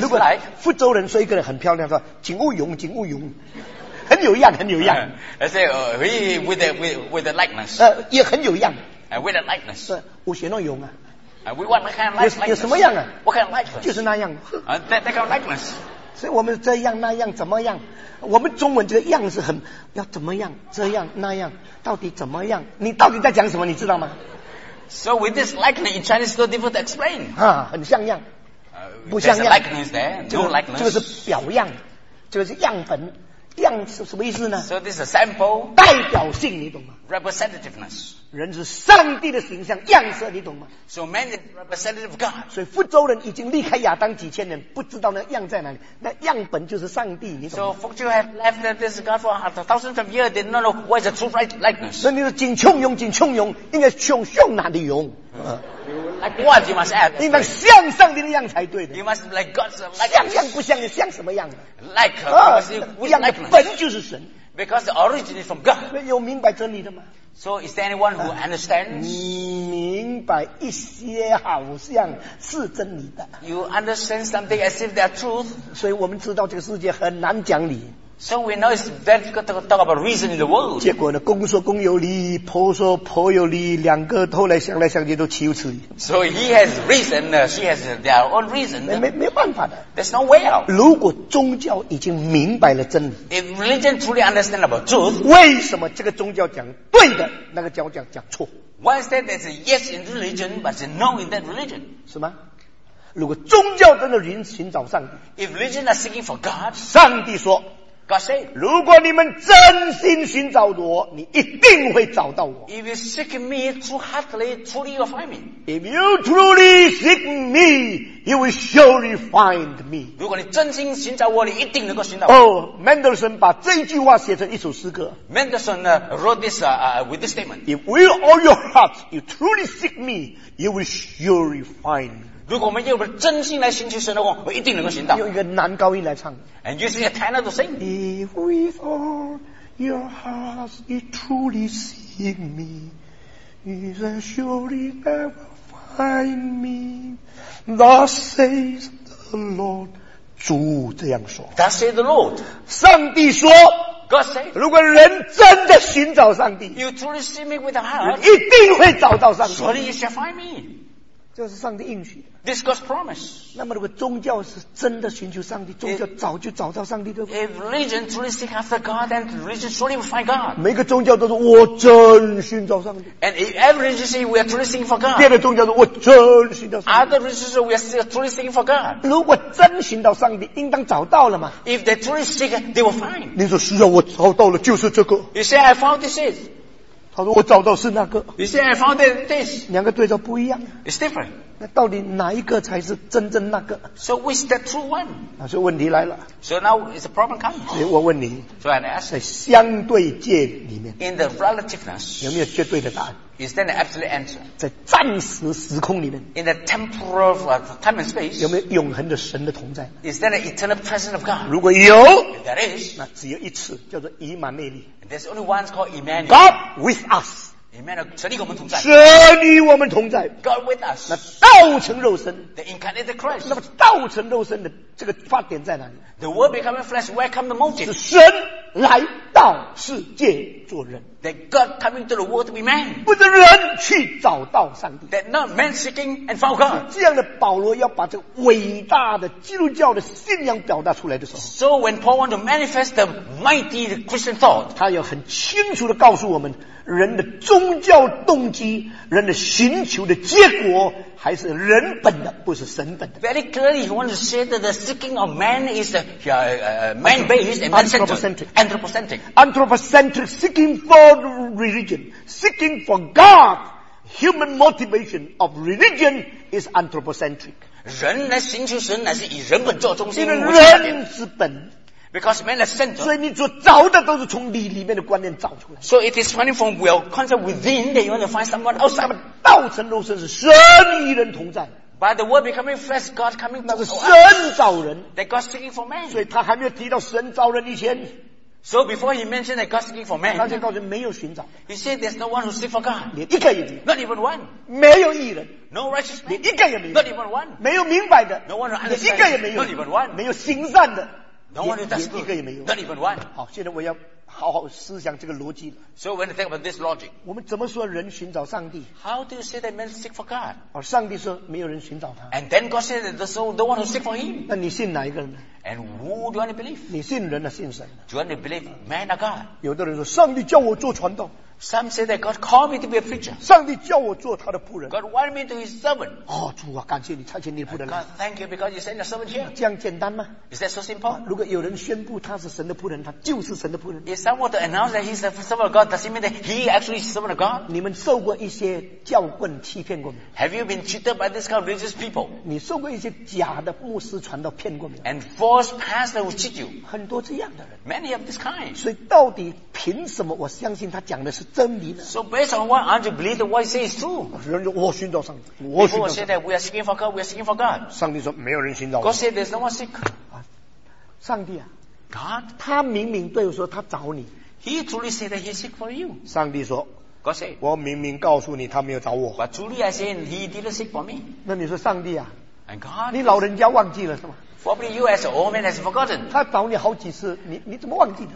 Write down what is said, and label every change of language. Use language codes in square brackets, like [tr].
[zh] 如果福州人说一个人很漂亮，说锦务勇，锦务勇。很有样，很有样。 [en] I say we with the likeness. [zh] 也很有样。 [en] With a likeness. [zh] 是，我学那用啊。 [en] We want that kind of likeness. [zh] 有什么样啊 [en] ？What kind of likeness? [zh] 就是那样。 [en] That kind of likeness. [zh] 所以我们这样那样怎么样？我们中文这个样是很要怎么样这样那样，到底怎么样？你到底在讲什么？你知道吗 [en] ？So with this likeness in Chinese, so difficult to explain. [zh] 啊，很像样。不像样。 [en] There's a likeness there. No likeness. [zh] 这个是表样，这个是样本。样是什么意思呢 [en] ？So this is a sample， [zh] 代表性，你懂吗 [en] ？Representativeness， [zh] 人是上帝的形象样式，你懂吗 [en] ？So man is representative of God。 [zh] 所以福州人已经离开亚当几千年，不知道那样在哪里。那样本就是上帝，你懂吗 [en] ？So 福州 have left this God for thousands of years. They don't know what is a true right likeness。 [zh] 所以你说锦琼勇，锦琼勇，应该琼琼哪里勇？ [en] Like what you must add? [zh] 应当像上帝的样才对的。 [en] You must like God's likeness. [zh] 像样不像，你像什么样的 [en] ？Like because we like likeness. [zh] 本就是神。 [en] Because the origin is from God. [zh] 有明白真理的吗 [en] ？So is there anyone who understands? [zh] 明白一些好像是真理的。 [en] You understand something as if they are truth. [zh] 所以我们知道这个世界很难讲理。 [en] So we know it's very difficult to talk about reason in the world. [zh] 结果呢，公说公有理，婆说婆有理，两个后来想去都岂有此理。 [en] So he has reason, she has their own reason. [zh] 没办法的。 [en] There's no way out. [zh] 如果宗教已经明白了真理 [en] ，If religion truly understands about truth, [zh] 为什么这个宗教讲对的，那个教讲错 [en] ？Why is that? There's a yes in religion, but a no in that religion. [zh] 是吗？如果宗教真的寻找上帝 [en] ，If religion are seeking for God, [zh] 上帝说。 [en] got saved. [zh] 如果你们真心寻找我，你一定会找到我。 [en] If you seek me truly, truly you will find me. If you truly seek me, you will surely find me. [zh] 如果你真心寻找我，你一定能够寻找我。 Oh, Mendelssohn 把这句话写成一首诗歌。 [en] Mendelssohn wrote this with this statement. If with all your heart you truly seek me, you will surely find me. [zh] 如果我们用真心来寻求神的话，我一定能够寻到。用一个男高音来唱。 [en] And using a tenor to sing. If with all your heart you truly seek me, you then surely ever find me. Thus says the Lord. [zh] 主这样说。 [en] Thus says the Lord. [zh] 上帝说。 [en] God says. [zh] 如果人真的寻找上帝。 [en] You truly seek me with a heart. [zh] 一定会找到上帝。 [en] Surely you shall find me. [zh] 这是上帝应许。 [en] This God's promise. [zh] 那么如果宗教是真的寻求上帝，宗教早就找到上帝，对不对？ [en] If religion truly seek after God, then religion surely will find God. [zh] 每个宗教都说我真寻找上帝。 [en] And if every religion say we are truly seeking for God. [zh] 别的宗教说我真寻找上帝。 [en] Other religion say we are still truly seeking for God. [zh] 如果真寻到上帝，应当找到了嘛？ [en] If they truly seek, they will find. [zh] 你说是啊，我找到了，就是这个。 [en] You say I found this is. [zh] 他说我找到是那个。 [en] You see, I found this. [zh] 两个对照不一样。 [en] It's different. [zh] 那到底哪一个才是真正那个？ [en] So which the true one? [zh] 那所以问题来了。 [en] So now is the problem coming? [zh] 所以我问你。 [en] So I ask. [zh] 在相对界里面。 [en] In the relativeness. [zh] 有没有绝对的答案？ [en] Is there an absolute answer? [zh] 在暂时时空里面。 [en] In the temporal time and space. [zh] 有没有永恒的神的同在？ [en] Is there an eternal presence of God? [zh] 如果有。 [en] If there is. [zh] 那只有一次，叫做以马内利。 [en] There's only one called Emmanuel. God with us. [zh] Emmanuel, 神与我们同在。神与我们同在。 [en] God with us. [zh] 那道成肉身。 [en] The incarnate Christ. [zh] 那么道成肉身的这个发点在哪里？ [en] The word becoming flesh, where come the motive? [zh] 是神来到世界做人。 [en] That God coming to the world to be man. [zh] 不是人去找到上帝。 [en] That not man seeking and found God. [zh] 这样的保罗要把这个伟大的基督教的信仰表达出来的时候。 [en] So when Paul wants to manifest the mighty Christian thought. [zh] 他要很清楚地告诉我们人的宗教动机人的寻求的结果还是人本的不是神本的。 [en] Very clearly he wants to say that the seeking of man is man based and man centered. Anthropocentric. Anthropocentric seeking forreligion, seeking for God, human motivation of religion is anthropocentric. [zh] 人来寻求神乃是以人本做中心，人是本。 [en] Because man is centered. [zh] 所以你所找的都是从你里面的观念找出来。 [en] So it is coming from your concept within that you want to find someone outside. [zh] 道成肉身是神与人同在。 [en] By the word becoming flesh, God coming to us. [zh] 那是神造人。 [en] That God seeking for man. [zh] 所以他还没有提到神造人以前。 [en] So before he mentioned that God seeking for man, [zh] 他就告诉没有寻找。 [en] He said there's no one who seek for God. [zh] 连一个也没有。 [en] Not even one. [zh] 没有义人。 [en] No righteous man. [zh] 连一个也没有。 [en] Not even one. [zh] 没有明白的。 [en] No one who understands. [zh] 连一个也没有。 [en] Not even one. [zh] 没有行善的。 [en] No one who does good. [zh] 一个也没有。 [en] Not even one. [zh] 好，现在我要好好思想这个逻辑。 [en] So when you think about this logic, [zh] 我们怎么说人寻找上帝？ [en] How do you say that man seek for God? [zh] 而上帝说没有人寻找他。 [en] And then God said that there's no one who seek for him. [zh] 那你信哪一个人呢？ [en] And who do you want to believe? [zh] 你信人呢？信神呢？ [en] Do you want to believe man or God? [zh] 有的人说上帝叫我做传道。 [en] Some say that God called me to be a preacher. [zh] 上帝叫我做他的仆人。 [en] God wanted me to be his servant. [zh] 哦，主啊，感谢你差遣你的仆人来。 [en] God, thank you because you sent your servant here. [zh] 这样简单吗？ [en] Is that so simple? [zh] 如果有人宣布他是神的仆人，他就是神的仆人。 [en] If someone to announce that he's the servant of God, does it mean that he actually is servant of God? [zh] 你们受过一些教棍欺骗过没有？ [en] Have you been cheated by this kind of religious people? [zh] 你受过一些假的牧师传道骗过没有？ [en] And false pastor will cheat you. [zh] 很多这样的人。 [en] Many of this kind. [zh] 所以到底凭什么我相信他讲的是？真理呢？ [en] So based on what aren't you believe the what you say is true? [zh] 人说我寻找上帝，我寻找上帝。 [en] People say that we are seeking for God, we are seeking for God. [zh] 上帝说没有人寻找。 [en] God said there's no one seek. [zh] 上帝啊 [en] ，God， [zh] 他明明对我说他找你。 [en] He truly said that he seek for you. [zh] 上帝说 [en] ，God said， [zh] 我明明告诉你他没有找我。 [en] But truly I say he didn't seek for me. [zh] 那你说上帝啊 [en] ，And God， [zh] 你老人家忘记了是吗？ [en] Probably you as an old man has forgotten. [zh] 他找你好几次，你怎么忘记的？